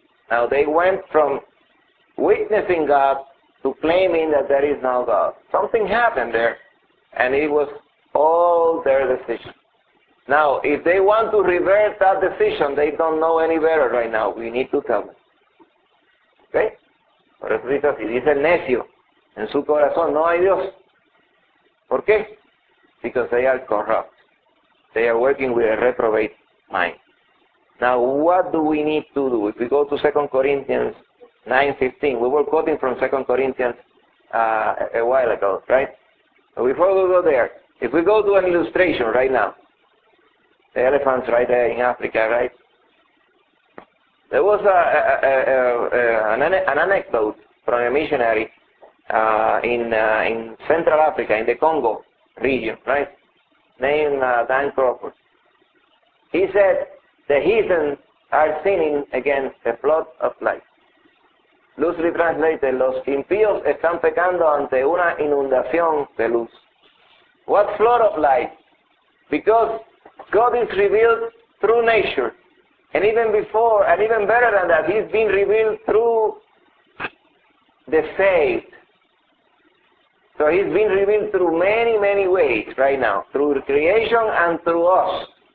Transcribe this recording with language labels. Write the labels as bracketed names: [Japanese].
[English] Now they went from witnessing God to claiming that there is no God. Something happened there, and it was all their decision. Now, if they want to reverse that decision, they don't know any better right now. We need to tell them. Okay? [Spanish] Por eso dice así, dice el necio, en su corazón no hay Dios. ¿Por qué? [English] Because they are corrupt. They are working with a reprobate mind. Now, what do we need to do? If we go to 2 Corinthians 9:15, we were quoting from 2 Corinthians a while ago, right? But before we go there, if we go to an illustration right now, the elephants right there in Africa, right? There was an anecdote from a missionary in Central Africa, in the Congo region, right? Named Dan Crawford. He said, the heathen are sinning against the flood of life. [Spanish] Loosely translated, los impíos están pecando ante una inundación de luz. [English] What flood of life? Because God is revealed through nature. And even before, and even better than that, he's been revealed through the saved. So he's been revealed through many, many ways right now. Through creation and through us.